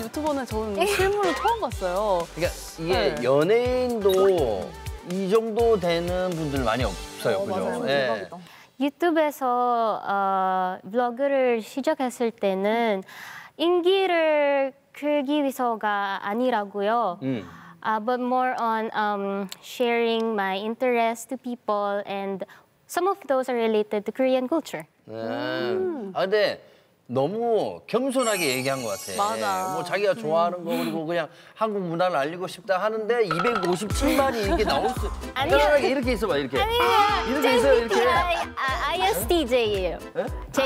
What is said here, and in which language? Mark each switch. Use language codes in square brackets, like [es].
[ko] 유튜버는 저는 실물로 처음 봤어요. 그러니까 이게 네. 연예인도 이 정도 되는 분들 많이 없어요. 그죠? 맞아요. 네. 대박이다. 유튜브에서 블로그를 시작했을 때는 인기를 끌기 위해서가 아니라고요. [en] But more on sharing my interest to people and some of those are related to Korean culture. [ko] 네. 아 근데 너무 겸손하게 얘기한 것 같아. 맞아. 뭐 자기가 좋아하는 거 그리고 그냥 한국 문화를 알리고 싶다 하는데 257만이 이렇게 나올 수. 아니요. 편안하게 이렇게 있어봐 이렇게. 아니요. 이렇게 있어 이렇게. ISTJ예요. 네?